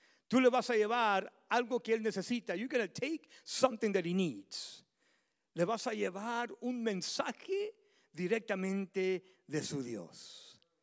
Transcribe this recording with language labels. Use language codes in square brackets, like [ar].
[es] Tú le vas a llevar algo que él necesita. [en] You're going to take something that he needs. [es] Le vas a llevar un mensaje directamente de su Dios.